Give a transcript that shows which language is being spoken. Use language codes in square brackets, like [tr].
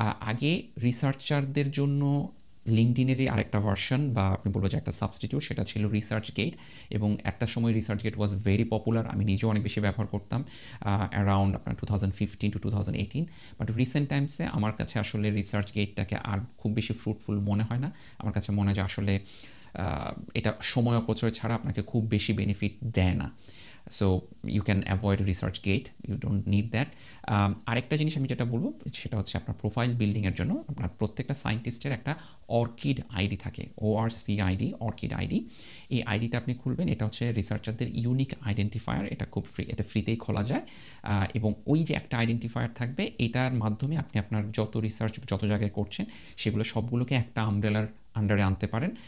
[bn] আগে রিসার্চারদের জন্য লিঙ্কডিনেরই আরেকটা ভার্সন বা আপনি বলবো যে একটা সাবস্টিটিউট, সেটা ছিল রিসার্চ গেট, এবং একটা সময় research gate [en] was very popular, [bn] আমি নিজেও অনেক বেশি ব্যবহার করতাম অ্যারাউন্ড আপনার 2015 to 2018। বাট রিসেন্ট টাইমসে আমার কাছে আসলে রিসার্চ গেটটাকে আর খুব বেশি ফ্রুটফুল মনে হয় না। আমার কাছে মনে হয় যে আসলে এটা সময় অপচয় ছাড়া আপনাকে খুব বেশি বেনিফিট দেয় না। [en] So you can avoid research gate. You don't need that. [bn] আরেকটা জিনিস আমি যেটা বলবো সেটা হচ্ছে আপনার প্রোফাইল বিল্ডিং এর জন্য আপনার প্রত্যেকটা সায়েন্টিস্টের একটা অর্কিড আইডি থাকে, ওআরসি আইডি, অর্কিড আইডি। এই আইডিটা আপনি খুলবেন, এটা হচ্ছে রিসার্চারদের ইউনিক আইডেন্টিফায়ার। এটা খুব ফ্রি, এটা ফ্রিতেই খোলা যায়। এবং ওই যে একটা আইডেন্টিফায়ার থাকবে, এটার মাধ্যমে আপনি আপনার যত রিসার্চ যত জায়গায় করছেন সেগুলো সবগুলোকে একটা আমব্রেলার আন্ডারে আনতে পারেন।